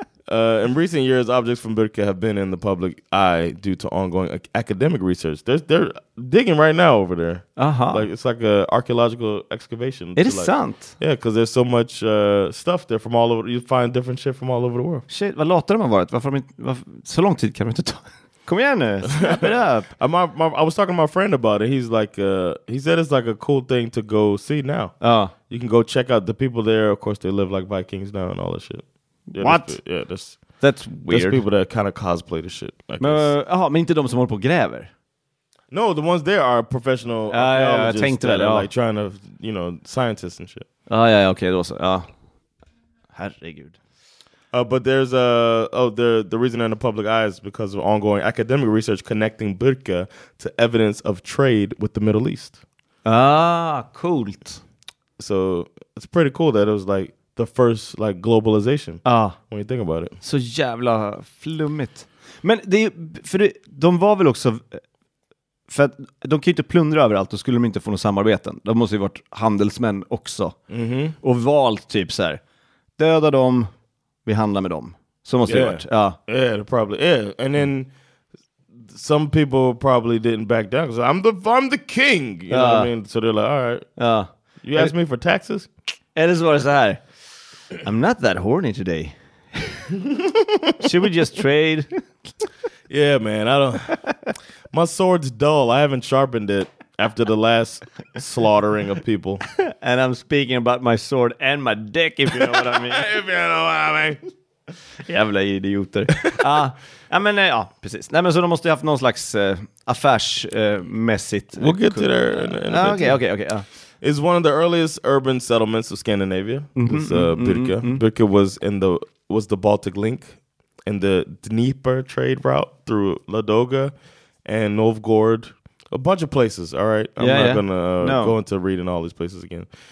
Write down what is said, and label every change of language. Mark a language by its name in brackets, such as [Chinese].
[English] In recent years, objects from Birka have been in the public eye due to ongoing academic research. They're digging right now over there. Uh-huh. Like it's like a archaeological excavation. It is sant. Yeah, because there's so much stuff there from all over. You find different shit from all over the world. [Swedish] Shit, vad låter de har varit? Så lång tid kan man inte ta. Kom igen nu, [English] snap it up. I was talking to my friend about it. He's like, he said it's like a cool thing to go see now. You can go check out the people there. Of course, they live like Vikings now and all that shit. Yeah, what? Yeah, just That's weird. There's people that kind of cosplay the shit. [Swedish] Jaha, men inte de som håller på och gräver? [English] No, the ones there are professional archaeologists. Like trying to, you know, scientists and shit. [Swedish] Okay, då så. Ja. Herregud. [English] But there's a the reason in the public eye is because of ongoing academic research connecting burka to evidence of trade with the Middle East. Ah, cool. So it's pretty cool that it was like the first like globalization. Ah, when you think about it. [Swedish] Så jävla flummigt. Men det för de var väl också för att de kan ju inte plundra överallt, då skulle de inte få något samarbeten. De måste ju varit handelsmän också. Mm-hmm. Och valt typ så här, döda dem, vi handlar med dem. Så måste det varit. Ja. [English] Yeah, probably. Yeah. And then some people probably didn't back down. So I'm the king, you know what I mean? So they're like, all right. [Swedish] Ja. [English] You ask me for taxes? [Swedish] Eller så var det så här. [English] I'm not that horny today. Should we just trade? Yeah, man. I don't. My sword's dull. I haven't sharpened it after the last slaughtering of people. And I'm speaking about my sword and my dick, if you know what I mean. If you know what I mean. [Swedish] Jävla idioter. Ja, precis. Nej, men så de måste ju haft någon slags affärsmässigt. [English] We'll get to there in a bit. Okay. It's one of the earliest urban settlements of Scandinavia. Birka. Mm-hmm. Birka was the Baltic Link and the Dnieper trade route through Ladoga and Novgorod. A bunch of places, all right? I'm not going to go into reading all these places again.